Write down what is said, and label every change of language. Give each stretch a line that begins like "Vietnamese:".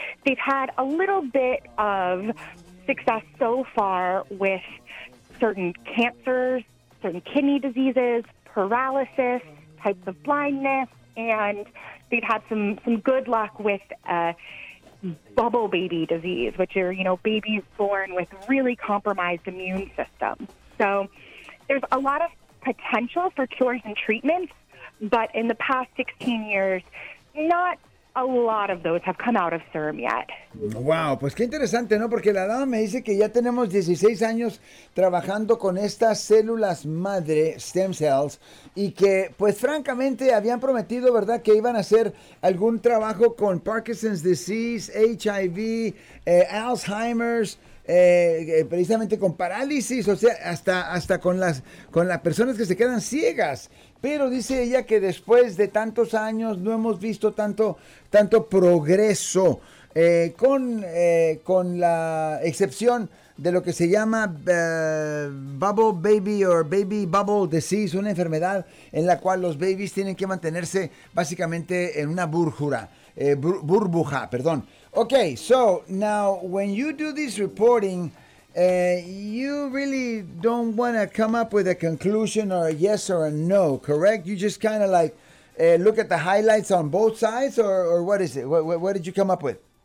English: They've had a little bit of success so far with certain cancers, certain kidney diseases, paralysis, types of blindness, and they've had some good luck with bubble baby disease, which are, you know, babies born with really compromised immune systems. So there's a lot of potential for cures and treatments. But in the past 16 years, not a lot of those have come out of CIRM yet.
Spanish: Wow, pues qué interesante, ¿no? Porque la dama me dice que ya tenemos 16 años trabajando con estas células madre, stem cells, y que, pues francamente, habían prometido, ¿verdad?, que iban a hacer algún trabajo con Parkinson's disease, HIV, Alzheimer's, precisamente con parálisis, o sea, hasta con las personas que se quedan ciegas. Pero dice ella que después de tantos años no hemos visto tanto progreso, con la excepción de lo que se llama bubble baby or baby bubble disease, una enfermedad en la cual los babies tienen que mantenerse básicamente en una burbuja, perdón.
English: Okay, so now when you do this reporting, you really don't want to come up with a conclusion or a yes or a no, correct? You just kind of like look at the highlights on both sides, or what is it? What did you come up with?